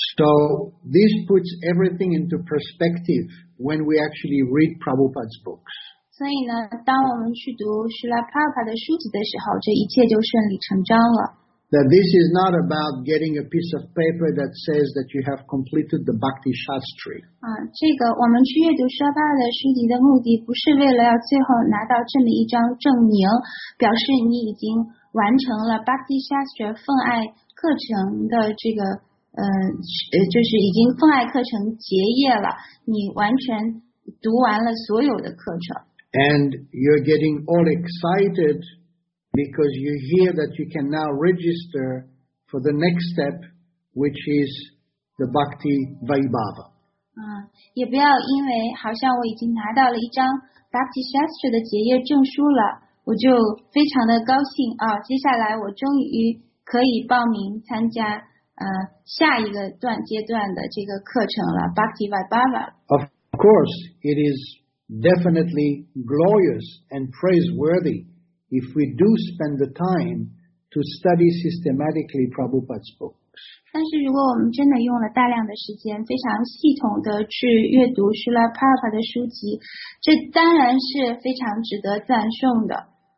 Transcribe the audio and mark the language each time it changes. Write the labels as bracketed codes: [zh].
[en] So this puts everything into perspective when we actually read Prabhupada's books. [zh] 所以呢，当我们去读施拉帕帕的书籍的时候，这一切就顺理成章了。 [en] That this is not about getting a piece of paper that says that you have completed the Bhakti Shastri. [zh] 这个我们去阅读施拉帕帕的书籍的目的，不是为了要最后拿到这么一张证明，表示你已经完成了 Bhakti Shastri 奉爱课程的这个。就是已经奉爱课程结业了，你完全读完了所有的课程。 [en] And you're getting all excited because you hear that you can now register for the next step, which is the Bhakti Vaibhava. [zh] 也不要因为好像我已经拿到了一张 Bhakti Shastri 的结业证书了，我就非常的高兴啊！接下来我终于可以报名参加。下一个段阶段的这个课程了 Bhakti Vaibhava. [en] Of course, it is definitely glorious and praiseworthy if we do spend the time to study systematically Prabhupada's books. [zh] 但是如果我们真的用了大量的时间非常系统的去阅读 Srila Prabhupada 的书籍，这当然是非常值得赞颂的。